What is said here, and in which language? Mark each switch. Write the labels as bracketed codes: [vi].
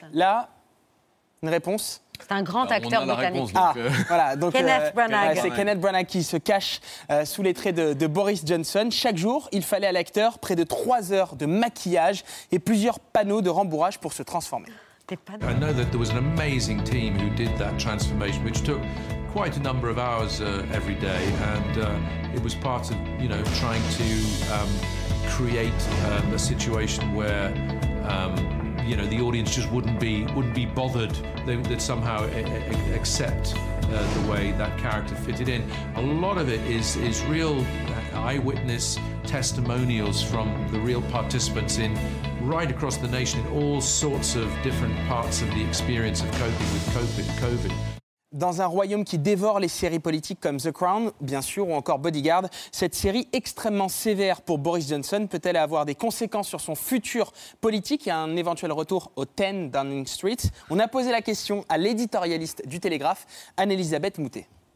[fr] là, une réponse. C'est un grand acteur britannique. Réponse, ah, voilà, donc, Kenneth Branagh. Ouais, c'est Kenneth Branagh qui se cache sous les traits de Boris Johnson. Chaque jour, il fallait à l'acteur près de 3 heures de maquillage et plusieurs panneaux de rembourrage pour se transformer. [en] I know that there was an amazing team who did that transformation, which took quite a number of hours every day, and it was part of, you know, trying to create a situation where. You know, the audience just wouldn't be bothered. They'd somehow accept the way that character fitted in. A lot of it is real eyewitness testimonials from the real participants in right across the nation in all sorts of different parts of the experience of coping with COVID. [fr] Dans un royaume qui dévore les séries politiques comme The Crown, bien sûr, ou encore Bodyguard, cette série extrêmement sévère pour Boris Johnson peut-elle avoir des conséquences sur son futur politique et un éventuel retour au 10 Downing Street? On a posé la question à l'éditorialiste du Télégraphe, Anne-Elisabeth Moutet.